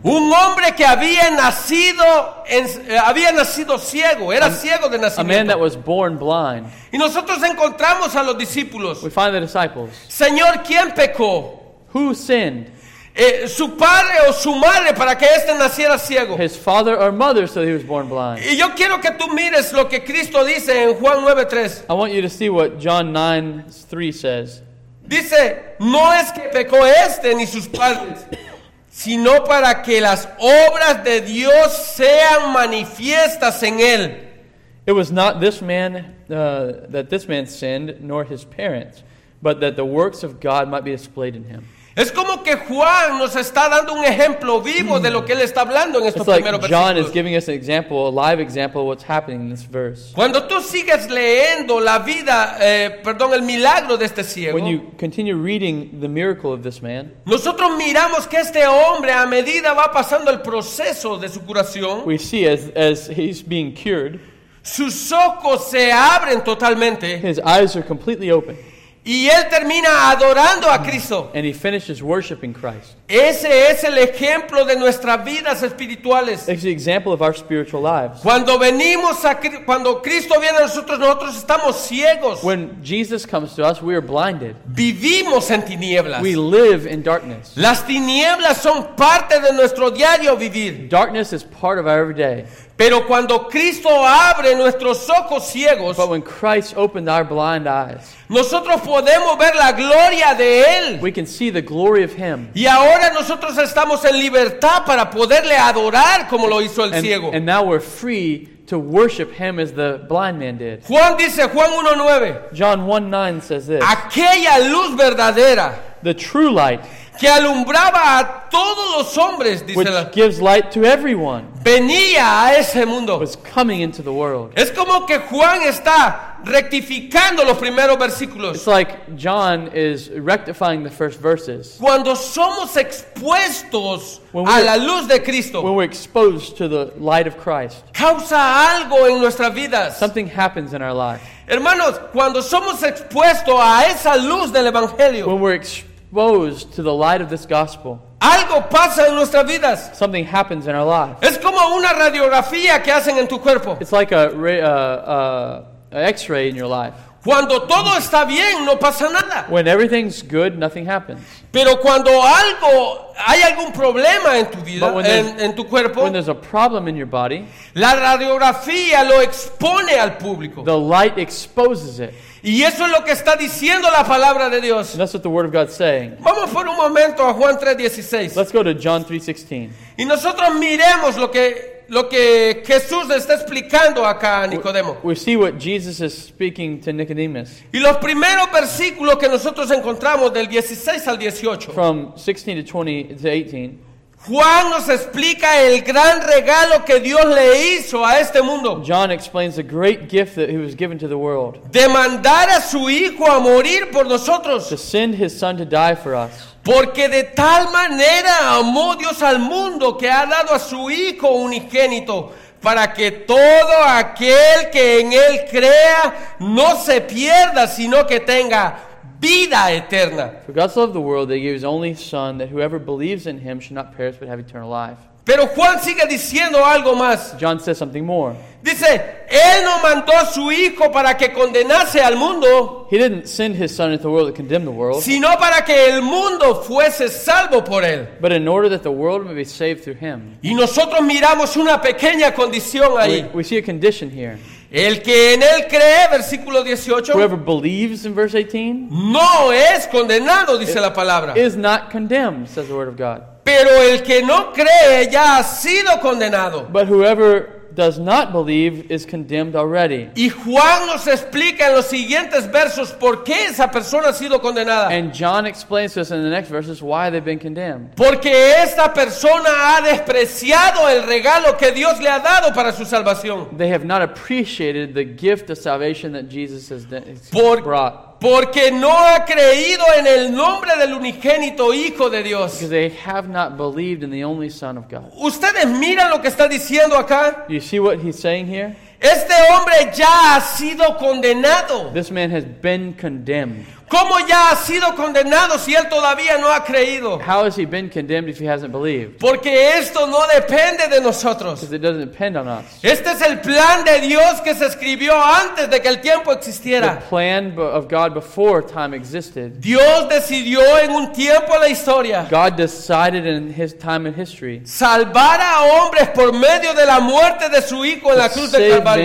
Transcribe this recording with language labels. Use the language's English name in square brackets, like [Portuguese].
[Spanish] un hombre que había nacido ciego, era ciego de nacimiento, [English] a man that was born blind. [Spanish] Y nosotros encontramos a los discípulos, [English] we find the disciples, [Spanish] Señor, ¿quién pecó? [English] Who sinned? [Spanish] Su padre o su madre para que este naciera ciego. [English] His father or mother so he was born blind. [Spanish] Y yo quiero que tú mires lo que Cristo dice en Juan 9:3. [English] I want you to see what John 9:3 says. [Spanish] Dice, no es que pecó este ni sus padres, sino para que las obras de Dios sean manifiestas en él. [English] It was not this man that this man sinned, nor his parents, but that the works of God might be displayed in him. [Spanish] Es como que Juan nos está dando un ejemplo vivo de lo que él está hablando en estos primeros versículos. [English] It's like John is giving us an example, a live example of what's happening in this verse. [Spanish] Cuando tú sigues leyendo la vida, el milagro de este ciego. [English] When you continue reading the miracle of this man. [Spanish] Nosotros miramos que este hombre a medida va pasando el proceso de su curación. [English] We see as he's being cured. [Spanish] Sus ojos se abren totalmente. [English] His eyes are completely open. [Spanish] Y él termina adorando a Cristo. [English] And he finishes worshiping Christ. [Spanish] Ese es el ejemplo de nuestras vidas espirituales. [English] It's the example of our spiritual lives. [Spanish] Cuando Cristo viene a nosotros, nosotros estamos ciegos. [English] When Jesus comes to us, we are blinded. [Spanish] Vivimos en tinieblas. [English] We live in darkness. [Spanish] Las tinieblas son parte de nuestro diario vivir. [English] Darkness is part of our everyday. [Spanish] Pero cuando Cristo abre nuestros ojos ciegos, [English] but when Christ opened our blind eyes, [Spanish] nosotros podemos ver la gloria de Él. [English] We can see the glory of Him. [Spanish] Y ahora nosotros estamos en libertad para poderle adorar como lo hizo el ciego. [English] And now we're free to worship Him as the blind man did. [Spanish] Juan dice, Juan 1:9. [English] John 1:9 says this. [Spanish] Aquella luz verdadera. [English] The true light. [Spanish] Que alumbraba a todos los hombres, dice [English] which [Spanish] la, [English] gives light to everyone. [Spanish] Venía a ese mundo. [English] Was coming into the world. [Spanish] Es como que Juan está rectificando los primeros versículos. [English] It's like John is rectifying the first verses. [Spanish] Cuando somos expuestos a la luz de Cristo, [English] when we're exposed to the light of Christ, [Spanish] causa algo en nuestras vidas. [English] Something happens in our life. [Spanish] Hermanos, cuando somos expuestos a esa luz del Evangelio, [English] when we're exposed to the light of this gospel, [Spanish] algo pasa en nuestras vidas. [English] Something happens in our lives. [Spanish] Es como una radiografía que hacen en tu cuerpo. [English] It's like a X-ray in your life. [Spanish] Cuando todo está bien, no pasa nada. [English] When everything's good, nothing happens. [Spanish] Pero cuando algo, hay algún problema en tu vida, en tu cuerpo, [English] when there's a problem in your body, [Spanish] la radiografía lo expone al público. [English] The light exposes it. [Spanish] Y eso es lo que está diciendo la palabra de Dios. [English] And that's what the word of God's saying. [Spanish] Vamos por un momento a Juan 3:16. [English] Let's go to John 3:16. [Spanish] Y nosotros miremos lo que Jesús está explicando acá a Nicodemo. [English] We see what Jesus is speaking to Nicodemus. [Spanish] Y los primeros versículos que nosotros encontramos del 16 al 18. [English] From 16 to 20 to 18. [Spanish] Juan nos explica el gran regalo que Dios le hizo a este mundo. [English] John explains the great gift that he was given to the world. [Spanish] De mandar a su hijo a morir por nosotros. [English] To send his son to die for us. [Spanish] Porque de tal manera amó Dios al mundo que ha dado a su hijo unigénito para que todo aquel que en él crea no se pierda, sino que tenga vida eterna. [English] For God so loved the world that he gave his only son, that whoever believes in him should not perish but have eternal life. [Spanish] Pero Juan sigue diciendo algo más. [English] John says something more. [Spanish] Dice, él no mandó a su hijo para que condenase al mundo. [English] He didn't send his son into the world to condemn the world. [Spanish] Sino para que el mundo fuese salvo por él. [English] But in order that the world may be saved through him. [Spanish] Y nosotros miramos una pequeña condición ahí. [English] We see a condition here. [Spanish] El que en él cree, versículo 18. [English] Whoever believes in verse 18. [Spanish] No es condenado, dice la palabra. [English] Is not condemned, says the word of God. [Spanish] Pero el que no cree ya ha sido condenado. [English] But whoever does not believe is condemned already. [Spanish] Y Juan nos explica en los siguientes versos por qué esa persona ha sido condenada. [English] And John explains to us in the next verses why they've been condemned. [Spanish] Porque esta persona ha despreciado el regalo que Dios le ha dado para su salvación. [English] They have not appreciated the gift of salvation that Jesus has brought. [Spanish] Porque no ha creído en el nombre del unigénito Hijo de Dios. [English] Because they have not believed in the only Son of God. [Spanish] ¿Ustedes miran lo que está diciendo acá? [English] You see what he's saying here? [Spanish] Este hombre ya ha sido condenado. [English] This man has been condemned. [Spanish] ¿Cómo ya ha sido condenado si él todavía no ha creído? [English] How has he been condemned if he hasn't believed? [Spanish] Porque esto no depende de nosotros. [English] Because it doesn't depend on us. [Spanish] Este es el plan de Dios que se escribió antes de que el tiempo existiera. [English] The plan of God before time existed. [Spanish] Dios decidió en un tiempo la historia. [English] God decided in his time in history. [Spanish] Salvar a hombres por medio de la muerte de su hijo en la cruz del Calvario.